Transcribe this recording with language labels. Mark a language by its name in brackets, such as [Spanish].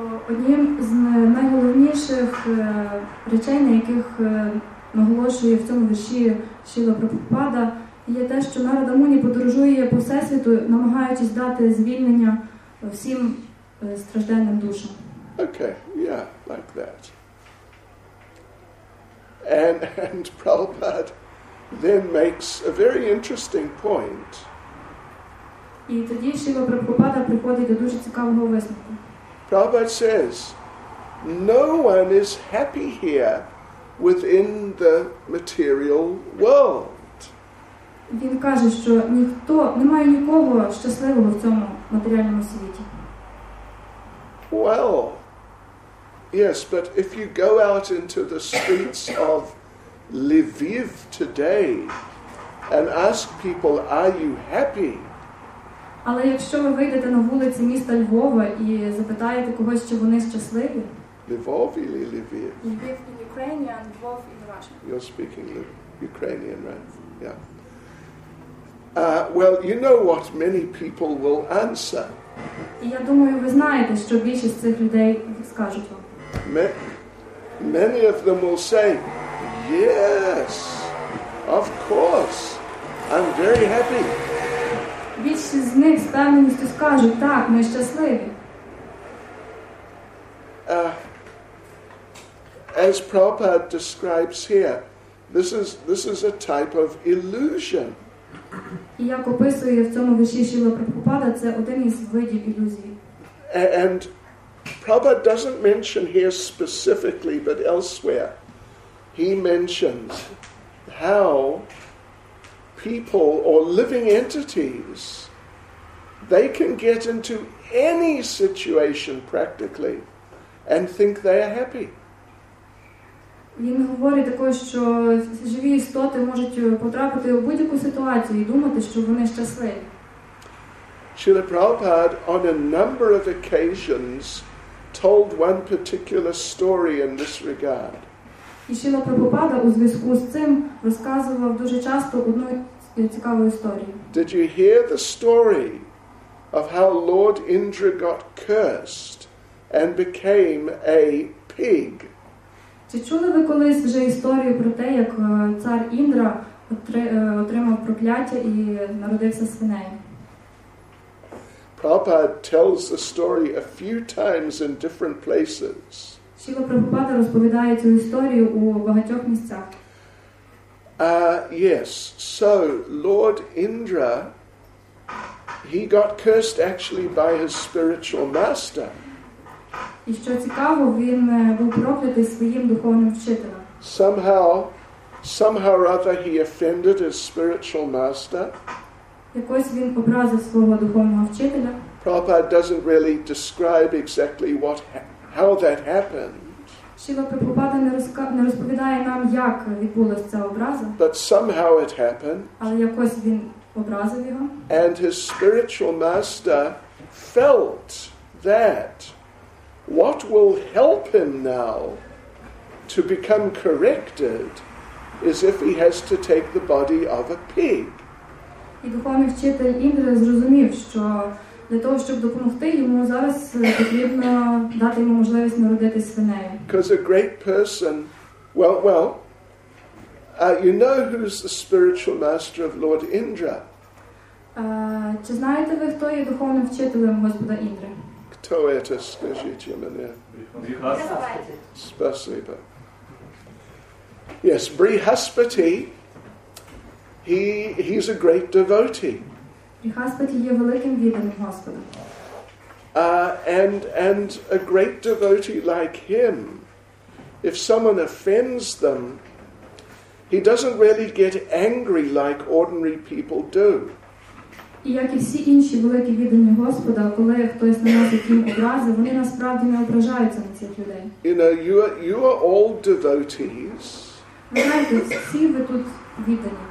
[Ukrainian] Одним з найголовніших речей, на яких наголошує в цьому вірші Шріла Прабхупада, є те, що Нарада Муні подорожує по всесвіту, намагаючись дати звільнення всім стражденним душам. [English] Okay, yeah, like that. And Prabhupada then makes a very interesting point. [Ukrainian] І тоді Шріла Прабхупада приходить до дуже цікавого висновку. [English] Prabhupada says, no one is happy here within the material world. [Ukrainian] Він каже, що ніхто, немає нікого щасливого в цьому матеріальному світі. [English] Well, yes, but if you go out into the streets of Lviv today and ask people, are you happy? [Ukrainian] Але якщо ви вийдете на вулиці міста Львова і запитаєте когось, чи вони щасливі? Львов і Львів? Львів і Україна, Львов і Росія. [English] You're speaking Ukrainian, right? Yeah. Well, you know what many people will answer. [Ukrainian] І я думаю, ви знаєте, що більшість цих людей скажуть вам. [English] Many of them will say, yes, of course, I'm very happy. [Ukrainian] Більшість з них з певністю скажуть, так, ми щасливі. [English] As Prabhupada describes here, this is a type of illusion. [Ukrainian] І як описує в цьому вірші Шріла Прабхупада, це один із видів ілюзії. [English] And Prabhupada doesn't mention here specifically, but elsewhere. He mentions how people or living entities, they can get into any situation practically and think they are happy. [Ukrainian] Він говорить також, що живі істоти можуть потрапити у будь-яку ситуацію і думати, що вони щасливі. [English] Srila Prabhupada on a number of occasions told one particular story in this regard. [Ukrainian] І Шіла Прабхупада у зв'язку з цим розказував дуже часто одну цікаву історію. [English] Did you hear the story of how Lord Indra got cursed and became a pig? [Ukrainian] Чи чули ви колись вже історію про те, як цар Індра отримав прокляття і народився свиней? [English] Prabhupada tells the story a few times in different places. [Ukrainian] Шіла Прабхупада розповідає цю історію у багатьох місцях. [English] Yes, so Lord Indra, he got cursed actually by his spiritual master. [Ukrainian] І що цікаво, він був проклятий своїм духовним вчителем. [English] Somehow or other he offended his spiritual master. [Ukrainian] Якось він образив свого духовного вчителя. [English] Prabhupada doesn't really describe exactly how that happened. [Ukrainian] Шіла Прабхупада не розповідає нам, як відбулася ця образа. [English] But somehow it happened. [Ukrainian] Але якось він образив його. [English] And his spiritual master felt that what will help him now to become corrected is if he has to take the body of a pig. [Ukrainian] І духовний вчитель Індра зрозумів, що для того, щоб допомогти йому, зараз потрібно дати йому можливість народити свинею. [English] Because a great person, you know who's the spiritual master of Lord Indra? [Ukrainian] Чи знаєте ви, хто є духовним вчителем Господа Індри? Хто це, скажіть мені? Спасибо. [English] Yes, Brihaspati. He's a great devotee. [Ukrainian] Брихаспати є великим відданим Господа. [English] And a great devotee like him, if someone offends them, he doesn't really get angry like ordinary people do. [Ukrainian] І як і всі інші великі віддані Господа, коли хтось наносить їм образи, вони насправді не ображаються на цих людей. [English] You know, you are all devotees. [Ukrainian] Ви знаєте, всі ви тут віддані.